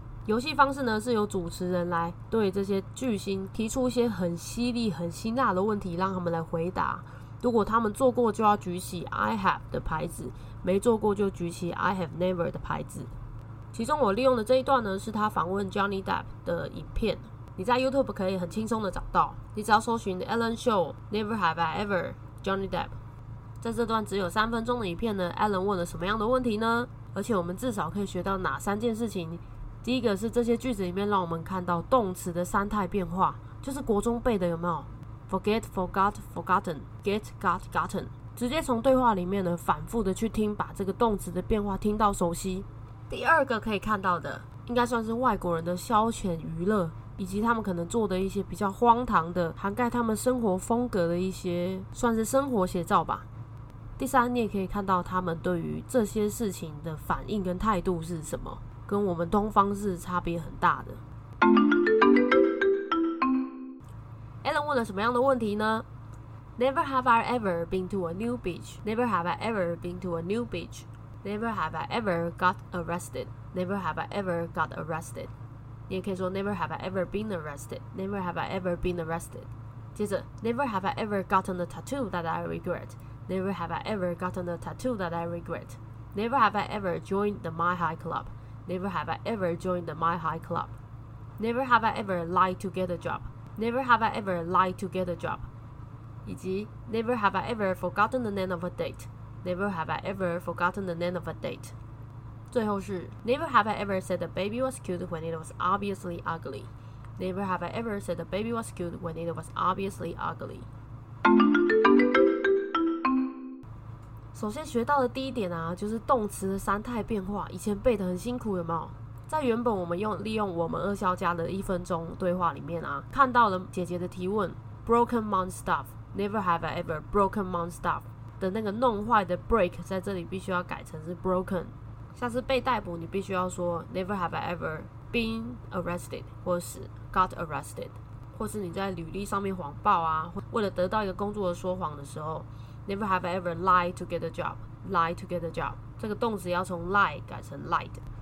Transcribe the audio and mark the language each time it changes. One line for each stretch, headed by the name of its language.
Chinese: 游戏方式呢，是由主持人来对这些巨星提出一些很犀利、很辛辣的问题，让他们来回答。如果他们做过，就要举起 I have 的牌子；没做过，就举起
English: I have never
Chinese: 的牌子。其中我利用的这一段呢，是他访问 Johnny Depp 的影片，你在 YouTube 可以很轻松的找到。你只要搜寻 Ellen Show Never Have I Ever Johnny Depp。在这段只有三分钟的影片呢， Alan 问了什么样的问题呢？而且我们至少可以学到哪三件事情？第一个是这些句子里面让我们看到动词的三态变化，就是国中背的有没有 ？
English: Forget, forgot, forgotten, get, got, gotten，
Chinese: 直接从对话里面呢反复的去听，把这个动词的变化听到熟悉。第二个可以看到的，应该算是外国人的消遣娱乐，以及他们可能做的一些比较荒唐的，涵盖他们生活风格的一些算是生活写照吧。第三，你也可以看到他们对于这些事情的反应跟态度是什么，跟我们东方是差别很大的。 Alan 问了什么样的问题呢
English: ？Never have I ever been to a new beach. Never have I ever been to a new beach. Never have I ever got arrested. Never have I ever got arrested.
Chinese: 你也可以说
English: Never have I ever been arrested. Never have I ever been arrested.
Chinese: 接着
English: ，Never have I ever gotten a tattoo that I regret. Never have I ever gotten a tattoo that I regret. Never have I ever joined the My High Club. Never have I ever joined the My High Club. Never have I ever lied to get a job. Never have I ever lied to get a job.
Chinese: 以及
English: Never have I ever forgotten the name of a date. Never have I ever forgotten the name of a date.
Chinese: 最后是
English: Never have I ever said the baby was cute when it was obviously ugly. Never have I ever said the baby was cute when it was obviously ugly.
Chinese: 首先学到的第一点啊，就是动词的三态变化，以前背得很辛苦，有没有？在原本我们用利用我们厄蕭家的一分钟对话里面啊，看到了姐姐的提问
English: broken mom stuff never have I ever broken mom stuff
Chinese: 的那个弄坏的 break 在这里必须要改成是 broken， 下次被逮捕你必须要说
English: never have I ever been arrested
Chinese: 或是
English: got arrested，
Chinese: 或是你在履历上面谎报啊，为了得到一个工作的说谎的时候
English: never have I ever lied to get a job
Chinese: lie to get a job， 这个动词要从 lie 改成 lied。